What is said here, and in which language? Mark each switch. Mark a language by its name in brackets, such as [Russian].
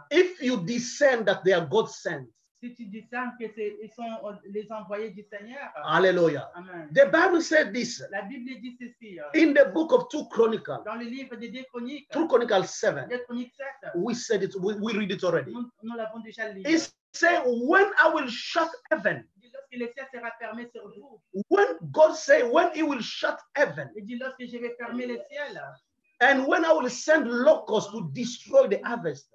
[English] If you discern that they are God sent. [French] Si tu discernes que ils sont les envoyés du Seigneur. Alléluia. Amen. [English] The Bible said this. [French] La Bible dit ceci. [English] In the book of 2 Chronicles. [French] Dans le livre de 2 Chroniques. [English] 2 Chronicles 7. [French] 2 Chroniques 7. [English] We said it. We read it already. [French] Nous l'avons déjà lu. [English] Say when I will shut heaven. [French] Lorsque le ciel sera fermé sur vous. [English] When God say when He will shut heaven. [French] Il dit lorsque je vais fermer le ciel. [English] And when I will send locusts to destroy the harvest.